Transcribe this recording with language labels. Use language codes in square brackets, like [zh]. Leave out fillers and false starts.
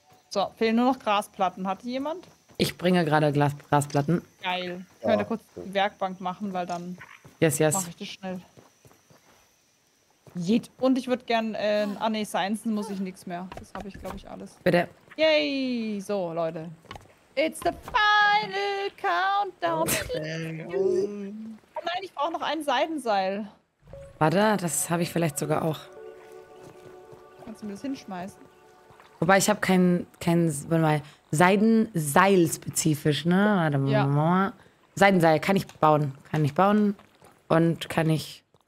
[de] So, fehlen nur noch Grasplatten. Hat jemand? Ich bringe gerade Grasplatten. Geil. Ich könnte kurz die Werkbank machen, weil dann mache ich das schnell. Jeet. Und ich würde gern. Science muss ich nichts mehr. Das habe ich, glaube ich, alles. Bitte. Yay! So, Leute. [en] It's the final countdown. [de] Oh nein, ich brauche noch ein Seidenseil. Warte, das habe ich vielleicht sogar auch. Kannst du mir das hinschmeißen? Wobei, ich habe kein warte mal, Seidenseil spezifisch, ne? Warte mal. Seidenseil kann ich bauen. Und kann ich...